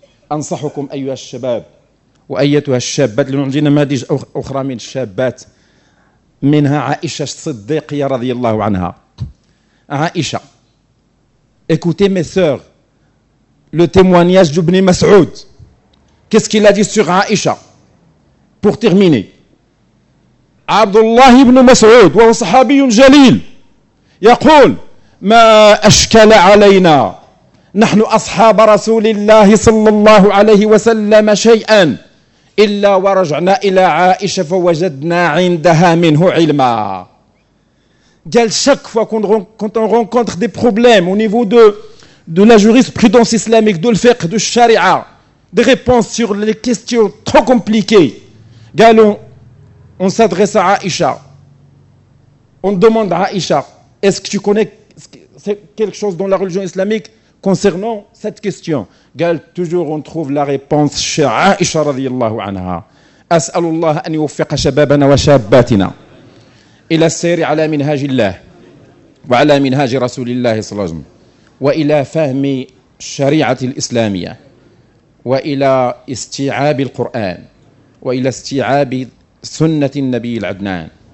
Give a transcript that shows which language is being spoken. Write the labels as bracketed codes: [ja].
[ar] Ansahukum ayyuha ash-shabab وأيتها الشابات لأن عندنا نماذج أخرى من الشابات منها عائشة الصديقة رضي الله عنها. [fr] عائشة écoutez mes sœurs le témoignage d'Ibn Mas'ud qu'est-ce qu'il a dit sur عائشة pour terminer. [ar] عبد الله بن مسعود وهو صحابي جليل يقول ما أشكل علينا نحن أصحاب رسول الله صلى الله عليه وسلم شيئا إلا ورجعنا إلى عائشة فوجدنا عندها منه علما. [fr] قال chaque fois quand on rencontre des problèmes au niveau de la jurisprudence islamique, de l'fiqh, de sharia, des réponses sur les questions trop compliquées, قال on s'adresse à Aïcha. On demande à Aïcha, est-ce que tu connais quelque chose dans la religion islamique concernant cette question. قال toujours on trouve la réponse chez Aïcha [ar] رضي الله عنها. أسأل الله أن يوفق شبابنا وشاباتنا إلى السير على منهاج الله وعلى منهاج رسول الله صلى الله عليه وسلم وإلى فهم الشريعة الإسلامية وإلى استيعاب القرآن وإلى استيعاب سنة النبي العدنان.